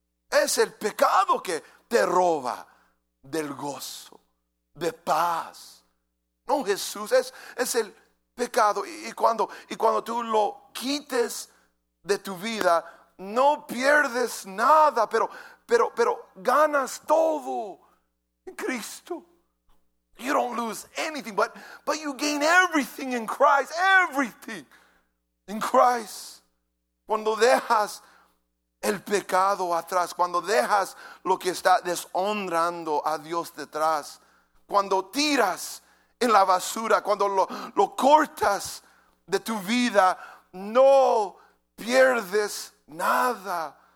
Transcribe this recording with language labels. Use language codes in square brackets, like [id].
[es] Es el pecado que te roba del gozo, de paz. No, Jesús. Es el pecado. Y cuando tú lo quites de tu vida, no pierdes nada, pero ganas todo en Cristo. [en] You don't lose anything, but you gain everything in Christ. Everything in Christ. [es] Cuando dejas el pecado atrás, cuando dejas lo que está deshonrando a Dios detrás, cuando tiras en la basura, cuando lo cortas de tu vida, no pierdes nada.